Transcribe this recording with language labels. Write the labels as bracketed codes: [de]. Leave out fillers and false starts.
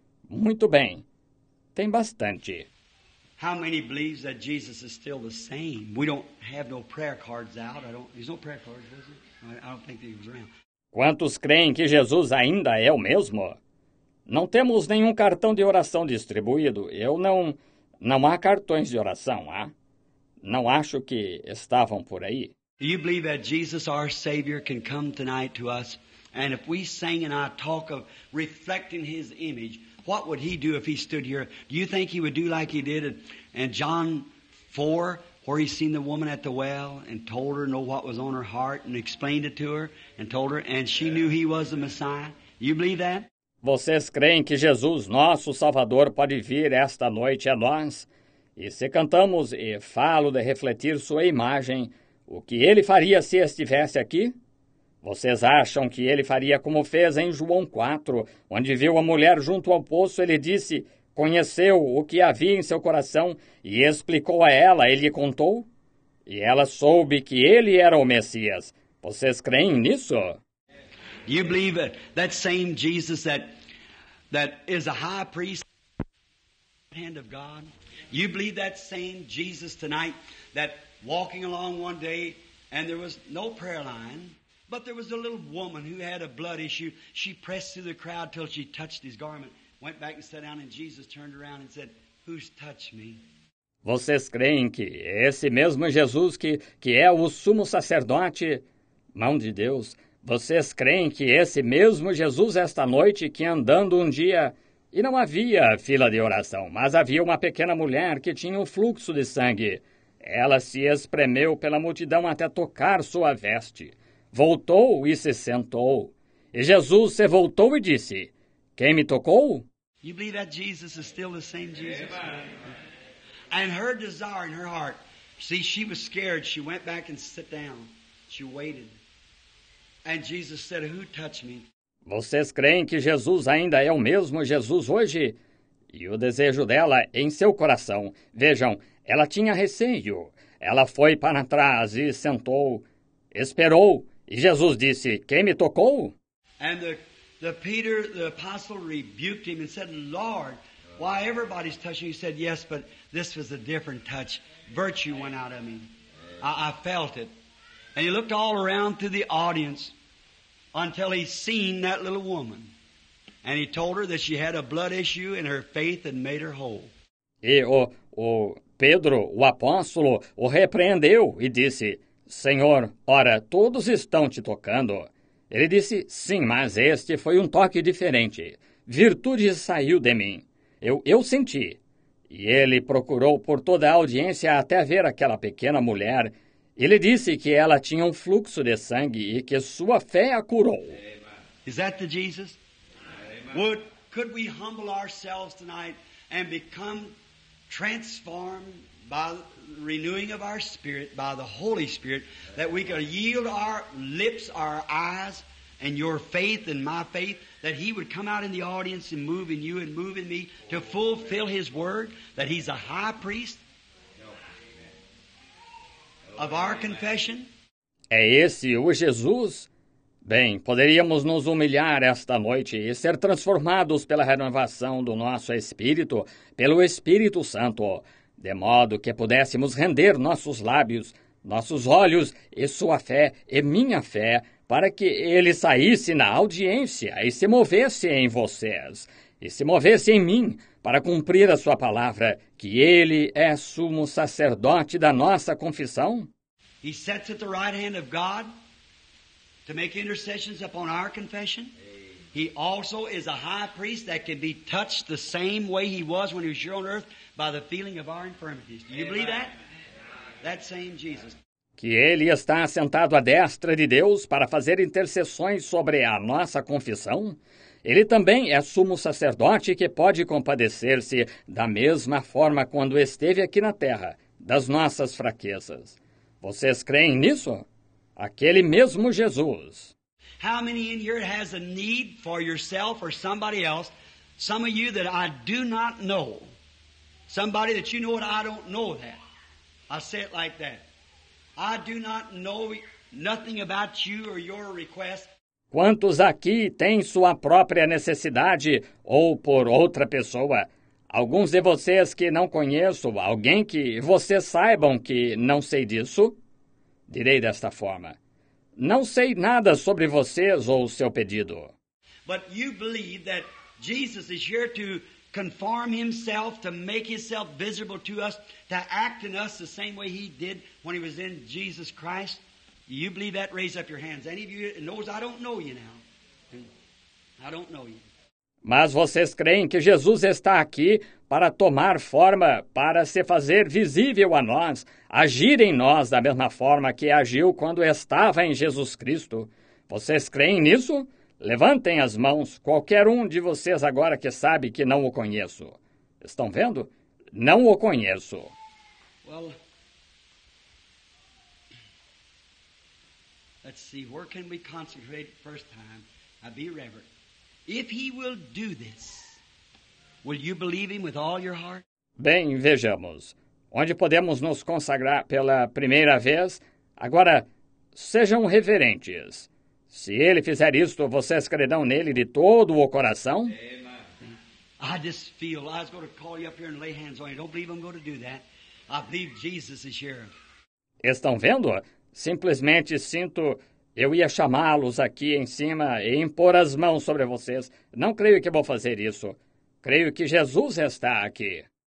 [pt] Muito bem. Tem bastante. [en] How many believes that Jesus is still the same? We don't have no prayer cards out. There's no prayer cards, is there? I don't think that he was around. [pt] Quantos creem que Jesus ainda é o mesmo? Não temos nenhum cartão de oração distribuído. Não há cartões de oração, há? Não acho que estavam por aí. [en] Do you believe that Jesus, our Savior, can come tonight to us? And if we sang and I talk of reflecting His image, what would He do if He stood here? Do you think He would do like He did in John 4, where He seen the woman at the well and told her, know what was on her heart, and explained it to her, and told her, and she knew He was the Messiah? Do you believe that? [pt] Vocês creem que Jesus, nosso Salvador, pode vir esta noite a nós? E se cantamos e falo de refletir sua imagem, o que ele faria se estivesse aqui? Vocês acham que ele faria como fez em João 4, onde viu a mulher junto ao poço, ele disse, conheceu o que havia em seu coração e explicou a ela, ele lhe contou? E ela soube que ele era o Messias. Vocês creem nisso? [en] You believe that same Jesus that is a high priest at the hand of God? You believe that same Jesus tonight that walking along one day and there was no prayer line, but there was a little woman who had a blood issue. She pressed through the crowd till she touched his garment, went back and sat down, and Jesus turned around and said, "Who's touched me?" [pt] Vocês creem que esse mesmo Jesus que é o sumo sacerdote, mão de Deus, vocês creem que esse mesmo Jesus esta noite que andando um dia, e não havia fila de oração, mas havia uma pequena mulher que tinha um fluxo de sangue. Ela se espremeu pela multidão até tocar sua veste. Voltou e se sentou. E Jesus se voltou e disse, quem me tocou? [en] You believe that Jesus is still the same Jesus? And her desire in her heart, see, she was scared, she went back and sat down, she waited. And Jesus said, "Who touched me?" [pt] Vocês creem que Jesus ainda é o mesmo Jesus hoje? E o desejo dela em seu coração. Vejam, ela tinha receio. Ela foi para trás e sentou. Esperou. E Jesus disse, "Quem me tocou?" [en] And the Peter, the apostle, rebuked him and said, "Lord, why everybody's touching?" He said, "Yes, but this was a different touch. Virtue went out of me. I felt it." And he looked all around through the audience until he seen that little woman. And he told her that she had a blood issue and her faith had made her whole. [pt] E o Pedro, o apóstolo, o repreendeu e disse, Senhor, ora, todos estão te tocando. Ele disse, sim, mas este foi um toque diferente. Virtude saiu de mim. Eu senti. E ele procurou por toda a audiência até ver aquela pequena mulher. Ele disse que ela tinha um fluxo de sangue e que sua fé a curou. [en] Is that the Jesus? Amen. Could we humble ourselves tonight and become transformed by the renewing of our spirit, by the Holy Spirit, that we could yield our lips, our eyes, and your faith and my faith, that He would come out in the audience and move in you and move in me to fulfill His word, that He's a high priest? Of our confession? [pt] É esse o Jesus? Bem, poderíamos nos humilhar esta noite e ser transformados pela renovação do nosso espírito, pelo Espírito Santo, de modo que pudéssemos render nossos lábios, nossos olhos e sua fé e minha fé para que ele saísse na audiência e se movesse em vocês e se movesse em mim para cumprir a sua palavra, que ele é sumo sacerdote da nossa confissão? [en] He sits at the right hand of God to make intercessions upon our confession. He also is a high priest that can be touched the same way he was when he was here on earth by the feeling of our infirmities. Do you believe that? That same Jesus. [pt] Que ele está assentado à destra de Deus para fazer intercessões sobre a nossa confissão? Ele também é sumo sacerdote que pode compadecer-se da mesma forma quando esteve aqui na terra, das nossas fraquezas. Vocês creem nisso? Aquele mesmo Jesus. [en] How many in here has a need for yourself or somebody else? Some of you that I do not know. Somebody that you know and I don't know that. I say it like that. I do not know nothing about you or your request. [pt] Quantos aqui têm sua própria necessidade ou por outra pessoa? Alguns de vocês que não conheço, alguém que vocês saibam que não sei disso? Direi desta forma. Não sei nada sobre vocês ou seu pedido. [en] But you believe that Jesus is here to conform himself, to make himself visible to us, to act in us the same way he did when he was in Jesus Christ? You believe that? Raise up your hands. Any of you knows? I don't know you now. I don't know you. [pt] Mas vocês creem que Jesus está aqui para tomar forma, para se fazer visível a nós, agir em nós da mesma forma que agiu quando estava em Jesus Cristo? Vocês creem nisso? Levantem as mãos, qualquer um de vocês agora que sabe que não o conheço. Estão vendo? Não o conheço. [en] Well, let's see, where can we concentrate first time? I'll be reverent. If he will do this, will you believe him with all your heart? [pt] Bem, vejamos. Onde podemos nos consagrar pela primeira vez? Agora, sejam reverentes. Se ele fizer isto, vocês crerão nele de todo o coração? [en] I just feel, I was going to call you up here and lay hands on you. Don't believe I'm going to do that. I believe Jesus is here. [pt] Estão vendo? Simplesmente sinto, eu ia chamá-los aqui em cima e impor as mãos sobre vocês. Não creio que vou fazer isso. Creio que Jesus está aqui.